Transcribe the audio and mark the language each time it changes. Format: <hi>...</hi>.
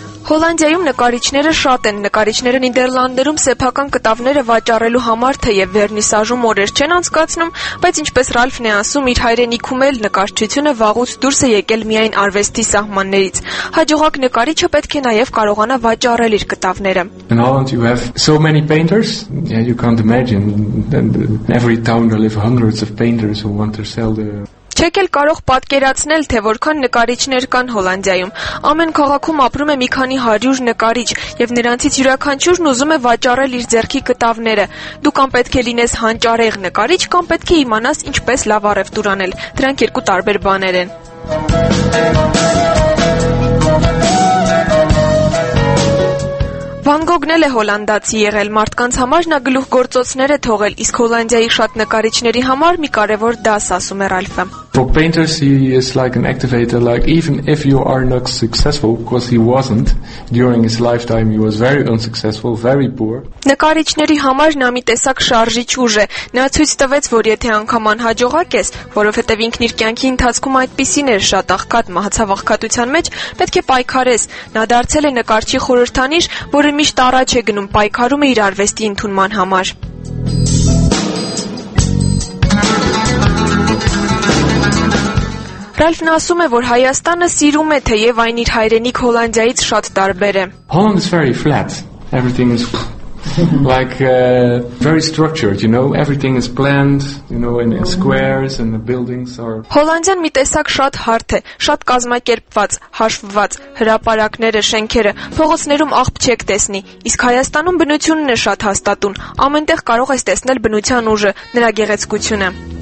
<hy>Հոլանդիայում նկարիչները շատ են, նկարիչները Նիդերլանդերում սեփական կտավները վաճառելու համար թեև վերնիսաժում օրեր չեն անցկացնում, բայց ինչպես Ռալֆն է ասում, իր հայրենիքում էլ նկարչությունը վաղուց դուրս է եկել միայն արվեստի սահմաններից։ Հաջողակ նկարիչը պետք է նաև կարողանա վաճառել իր կտավները։</hy> <en>In Holland you have so many painters, yeah, you can't imagine, and every town there live hundreds of painters who want to sell their...</en> <hy>Չեք էլ կարող պատկերացնել, թե որքան նկարիչներ կան Հոլանդիայում։ Ամեն քաղաքում ապրում է մի քանի 100 նկարիչ, եւ նրանցից յուրաքանչյուրն ուզում է վաճառել իր ձեռքի կտավները։ Դու կամ պետք է լինես հանճարեղ նկարիչ, կամ պետք է իմանաս ինչպես լավ առևտուր անել։ Դրանք երկու տարբեր բաներ են։ Վան Գոգն էլ է հոլանդացի եղել, մարդկանց համար նա գլուխ գործոցներ է թողել, իսկ Հոլանդիայի շատ նկարիչների համար մի կարևոր դաս, ասում է Ռալֆը։</hy> <en>For painters he is like an activator, like even if you are not successful, because he wasn't during his lifetime, he was very unsuccessful, very poor.</en> <hy>Նկարիչների համար նա մի տեսակ շարժիչ ուժ է, նա ցույց տվեց, որ եթե անգամ անհաջողակ ես, որովհետև ինքն իր կյանքի ընթացքում այդպիսին էր շատ աղքատ մահացավաղքատության մեջ, պետք է պայքարես։ Նա դարձել է նկարչի խորհրդանիշ, որը միշտ առաջ է գնում, պայքարում է իր արվեստի ընդունման համար։ Ռալֆն ասում է, որ Հայաստանը սիրում է, թեև այն իր հայրենիք Հոլանդիայից շատ տարբեր է։</hy> <en>Holland is very flat. Everything is like very structured, you know, everything is planned, you know, in squares and the buildings are.</en> <hy>Հոլանդիան մի տեսակ շատ հարթ է, շատ կազմակերպված, հաշվված, հրապարակները, շենքերը, փողոցներում աղբ չեք տեսնի, իսկ Հայաստանում բնությունն է շատ հաստատուն, ամենտեղ կարող ես տեսնել բնության ուժը, նրա գեղեցկությունը։</hy>